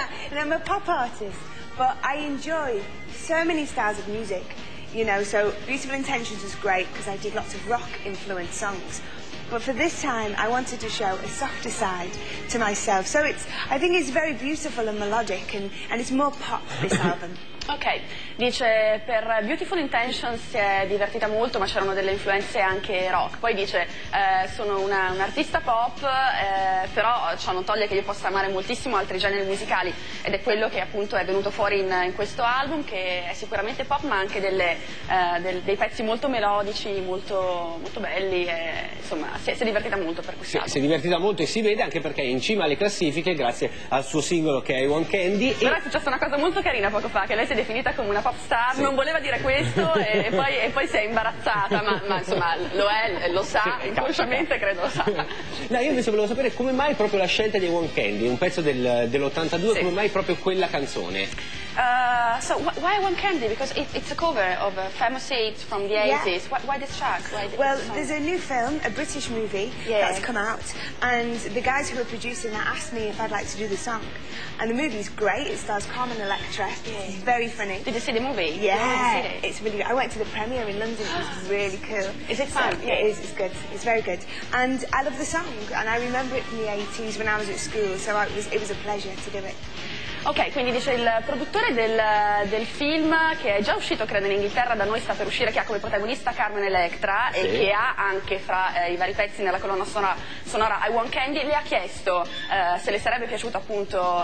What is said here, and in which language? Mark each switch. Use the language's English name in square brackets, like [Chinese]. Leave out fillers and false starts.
[English] And I'm a pop artist, but I enjoy so many styles of music. You know, so Beautiful Intentions was great because I did lots of rock-influenced songs. But for this time, I wanted to show a softer side to myself. So I think it's very beautiful and melodic, and it's more pop, this album. [Italian] Ok, dice per Beautiful Intentions si è divertita molto, ma c'erano delle influenze anche rock. Poi dice, sono un'artista pop, però ciò non toglie che io possa amare moltissimo altri generi musicali. Ed è quello che appunto è venuto fuori in questo album, che è sicuramente pop, ma anche dei pezzi molto melodici, molto, molto belli. E, insomma, si è divertita molto per questo album. Si è divertita molto e si vede anche perché è in cima alle classifiche, grazie al suo singolo che è I Want Candy. Però è successa una cosa molto carina poco fa, che lei si è definita come una pop star, sì. Non voleva dire questo e poi si è imbarazzata, ma insomma lo è, lo sa, sì, inconsciamente credo lo sa. No, io invece volevo sapere come mai proprio la scelta di I Want Candy, un pezzo dell'82, sì. Come mai proprio quella canzone? [English] So why I Want Candy? Because it's a cover of a famous hit from the 80s. Yeah. Why this track? There's a new film, a British movie, yeah, that's come out, and the guys who are producing that asked me if I'd like to do the song. And the movie's great, it stars Carmen Electra, yeah. It's very funny. Did you see the movie? Yeah, it's really good. I went to the premiere in London, it was really cool. Is it fun? Yeah, it is, it's good, it's very good. And I love the song, and I remember it from the 80s when I was at school, so it was a pleasure to do it. [Italian] Ok, quindi dice il produttore del film, che è già uscito credo in Inghilterra, da noi sta per uscire, che ha come protagonista Carmen Electra, sì. E che ha anche fra i vari pezzi nella colonna sonora I Want Candy, le ha chiesto se le sarebbe piaciuto appunto